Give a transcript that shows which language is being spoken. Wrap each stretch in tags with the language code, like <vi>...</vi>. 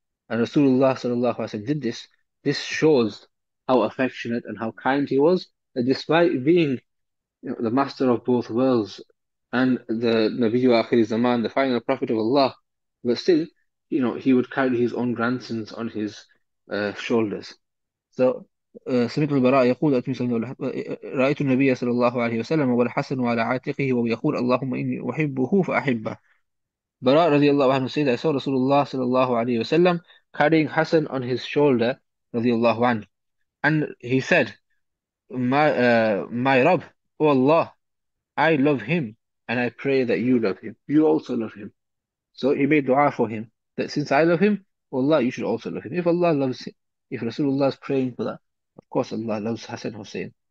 <en>And Rasulullah sallallahu alaihi wasallam did this. This shows how affectionate and how kind he was despite being the master of both worlds and the Nabiyyu Akhir Zaman, the final prophet of Allah, but still, he would carry his own grandsons on his shoulders.</en> <ar>So, سمعت البراء يقول أتمي صلى الله عليه وسلم رأيت النبي صلى الله عليه وسلم والحسن على عاتقه ويقول اللهم إني أحبه فأحبه. براء رضي الله عنه</ar> <en>said I saw</en> <ar>رسول الله صلى الله عليه وسلم</ar> <en>carrying Hassan on his shoulder</en> <ar>رضي الله عنه.</ar> <en>And he said, my Rabb, O Allah, I love him and I pray that you love him. You also love him. So he made dua for him that since I love him, O Allah, you should also love him. If Allah loves him, if Rasulullah is praying for that, of course Allah loves Hassan Hussein.</en>